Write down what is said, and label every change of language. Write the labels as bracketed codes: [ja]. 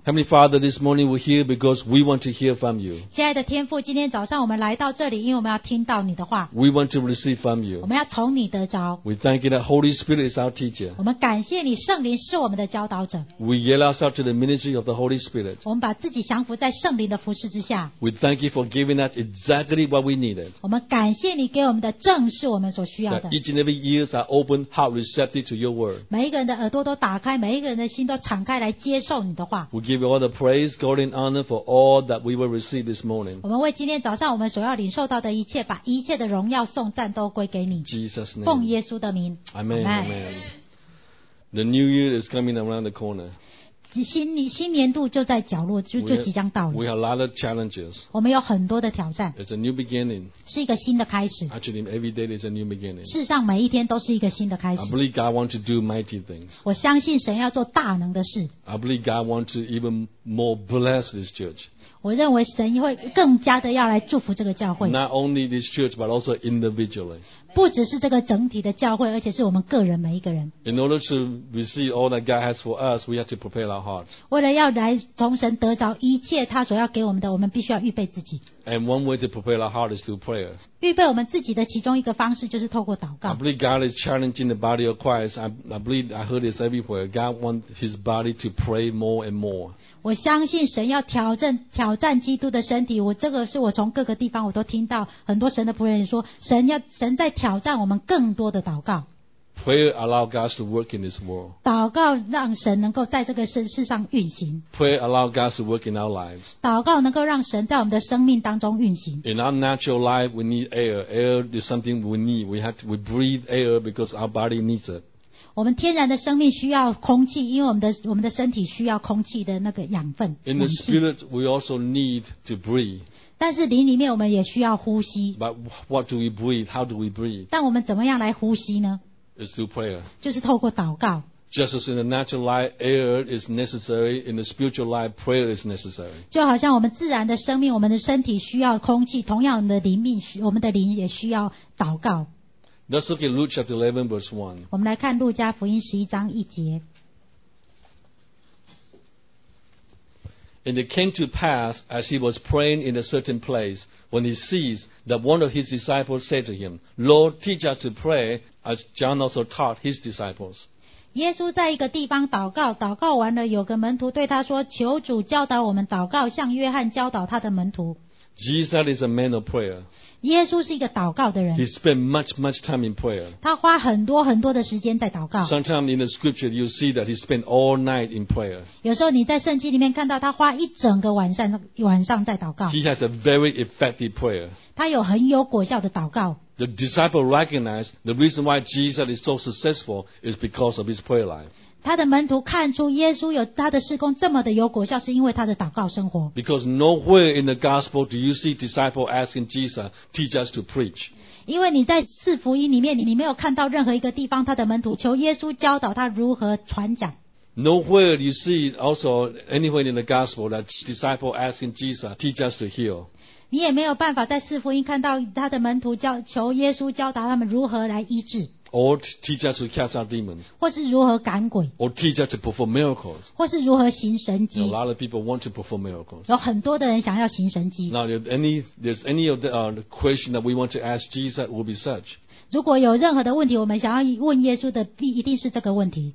[en] Heavenly Father, this morning we're here because we want to hear from you. [zh] 亲爱的天父，今天早上我们来到这里，因为我们要听到你的话。 [en] We want to receive from you. [zh] 我们要从你得着。 [en] We thank you that Holy Spirit is our teacher. [zh] 我们感谢你，圣灵是我们的教导者。 [en] We yield ourselves to the ministry of the Holy Spirit. [zh] 我们把自己降服在圣灵的服事之下。 [en] We thank you for giving us exactly what we needed. [zh] 我们感谢你给我们的正是我们所需要的。 [en] That each and every ears are open, heart receptive to your word. [zh] 每一个人的耳朵都打开，每一个人的心都敞开来接受你的话。 [en] We give you all the praise, glory, and honor for all that we will receive this morning. [zh] 我们为今天早上我们所要领受到的一切，把一切的荣耀颂赞都归给你。 [en] Jesus' name. [zh] 奉耶稣的名。 [en] Amen. Amen. The new year is coming around the corner. [zh] 新年度就在角落，就即将到了。 [en] We have a lot of challenges. [zh] 我们有很多的挑战。 [en] It's a new beginning. [zh] 是一个新的开始。 [en] Actually, every day is a new beginning. [zh] 事实上，每一天都是一个新的开始。 [en] I believe God wants to do mighty things. [zh] 我相信神要做大能的事。 [en] I believe God wants to even more bless this church. [zh] 我认为神会更加的要来祝福这个教会。 [en] Not only this church, but also individually. [zh] 不只是这个整体的教会，而且是我们个人每一个人。 [en] In order to receive all that God has for us, we have to prepare our hearts. [zh] 为了要来从神得着一切他所要给我们的，我们必须要预备自己。 [en] And one way to prepare our heart is through prayer. [zh] 预备我们自己的其中一个方式就是透过祷告。 [en] I believe God is challenging the body of Christ. I believe I heard this everywhere. God wants His body to pray more and more. [zh] 我相信神要挑战基督的身体。我这个是我从各个地方我都听到很多神的仆人说，神在挑战我们更多的祷告。 [en] Prayer allows God to work in this world. [zh] 祷告让神能够在这个世上运行。 [en] Prayer allows God to work in our lives. [zh] 祷告能够让神在我们的生命当中运行。 [en] In our natural life, we need air. Air is something we need. We breathe air because our body needs it. [zh] 我们天然的生命需要空气，因为我们的身体需要空气的那个养分。 [en] In the spirit, we also need to breathe. [zh] 但是灵里面我们也需要呼吸。 [en] But what do we breathe? How do we breathe? [zh] 但我们怎么样来呼吸呢？ [en] It's through prayer. [zh] 就是透过祷告。 [en] Just as in the natural life, air is necessary. In the spiritual life, prayer is necessary. [zh] 就好像我们自然的生命，我们的身体需要空气，同样我们的灵也需要祷告。 [en] Let's look at Luke chapter 11, verse 1. [zh] 我们来看路加福音十一章一节。 [en] And it came to pass, as he was praying in a certain place, when he sees that one of his disciples said to him, Lord, teach us to pray, as John also taught his disciples. [zh] 耶稣在一个地方祷告，祷告完了，有个门徒对他说，求主教导我们祷告，像约翰教导他的门徒。 [en] Jesus is a man of prayer. [zh] 耶稣是一个祷告的人。 [en] He spent much time in prayer. [zh] 他花很多很多的时间在祷告。 [en] Sometimes in the scripture you see that he spent all night in prayer. [zh] 有时候你在圣经里面看到他花一整个晚上在祷告。 [en] He has a very effective prayer. [zh] 他有很有果效的祷告。 [en] The disciple recognized the reason why Jesus is so successful is because of his prayer life. [zh] 他的门徒看出耶稣有他的事工这么的有果效，是因为他的祷告生活。 [en] Because nowhere in the gospel do you see disciple asking Jesus teach us to preach. [zh] 因为你在四福音里面，你没有看到任何一个地方他的门徒求耶稣教导他如何传讲。 [en] Nowhere do you see also anywhere in the gospel that disciple asking Jesus teach us to heal. [zh] 你也没有办法在四福音看到他的门徒求耶稣教导他们如何来医治。 [en] Or teach us to cast out demons. [zh] 或是如何赶鬼。 [en] Or teach us to perform miracles. [zh] 或是如何行神迹。 [en] A lot of people want to perform miracles. [zh] 有很多的人想要行神迹。 [en] Now, if there's any of the question that we want to ask Jesus, will be such. [zh] 如果有任何的问题，我们想要问耶稣的，一定是这个问题。